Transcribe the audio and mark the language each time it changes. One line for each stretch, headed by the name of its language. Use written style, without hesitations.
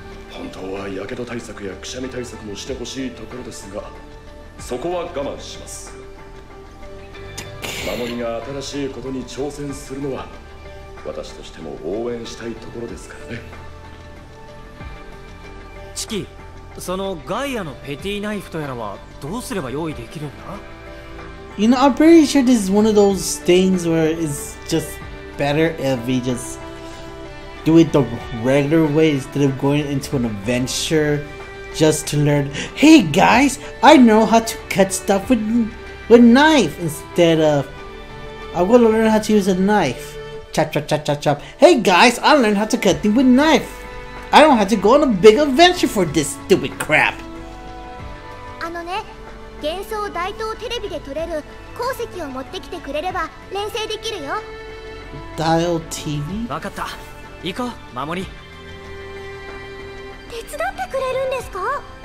Japanese: 本当は火傷対策やくしゃみ対策もしてほしいところですが、そこは我慢します。守りが新しいことに挑戦するのは私としても応援したいところですからね。チキ、そのガイアのペティナイフとやらはどうすれば用意できるんだ？
English: You know, I'm pretty sure this is one of those things where it's just better if we just do it the regular way instead of going into an adventure just to learn. Hey guys, I know how to cut stuff with knife instead of. I want to learn how to use a knife. Chop, chop, chop, chop, chop. Hey guys, I learned how to cut things with knife. I don't have to go on a big adventure for this stupid crap.
Japanese: あのね、幻想大東テレビで撮れる鉱石を持ってきてくれれば練成できるよ。ダイオTV? わかった。行こう、守り。手伝ってくれるんですか？